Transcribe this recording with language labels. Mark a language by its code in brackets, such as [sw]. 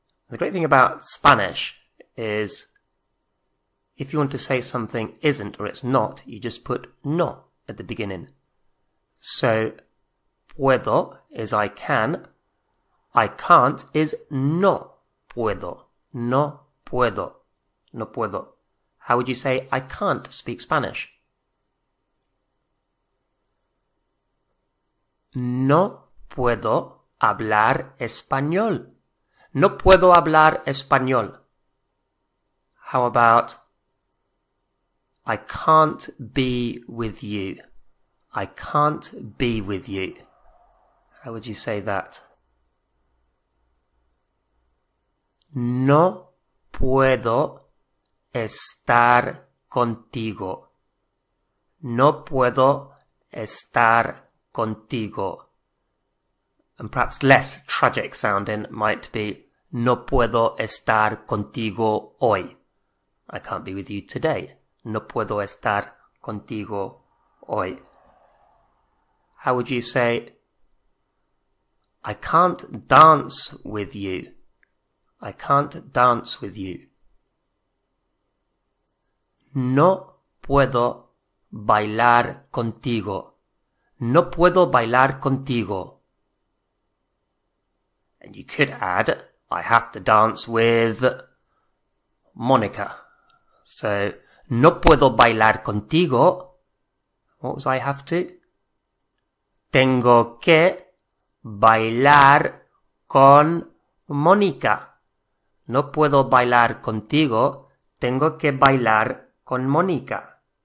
[en] The great thing about Spanish is if you want to say something isn't or it's not, you just put no at the beginning. So, [es] puedo [en] is I can. I can't is [es] no puedo. No puedo. No puedo. [en] How would you say I can't speak Spanish? [es] No puedo hablar español. No puedo hablar español. [en] How about I can't be with you? I can't be with you. How would you say that? [es] No puedo estar contigo. No puedo estar contigo. [en] And perhaps less tragic sounding might be [es] no puedo estar contigo hoy. [en] I can't be with you today. [es] No puedo estar contigo hoy. [en] How would you say I can't dance with you? I can't dance with you. [es] No puedo bailar contigo. No puedo bailar contigo. [en] And you could add, I have to dance with Monica. So, [es] no puedo bailar contigo. [en] What was I have to? [es] Tengo que bailar con Monica. No puedo bailar contigo. Tengo que bailar con Monica.